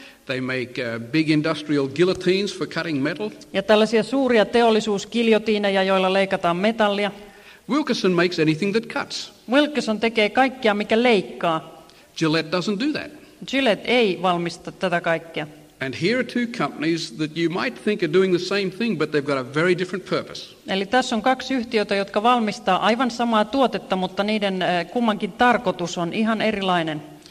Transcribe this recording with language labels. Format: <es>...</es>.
<en>They make big industrial guillotines for cutting metal.</en> <fi>Ja tällaisia suuria teollisuusgiljotiineja, joilla leikataan metallia.</fi> <en>Wilkerson makes anything that cuts.</en> <fi>Wilkerson tekee kaikkea, mikä leikkaa.</fi> <en>Gillette doesn't do that.</en> <fi>Gillette ei valmista tätä kaikkea.</fi> <en>And here are two companies that you might think are doing the same thing, but they've got a very different purpose.</en> <fi>Eli tässä on kaksi yhtiötä, jotka valmistaa aivan samaa tuotetta, mutta niiden kummankin tarkoitus on ihan erilainen.</fi>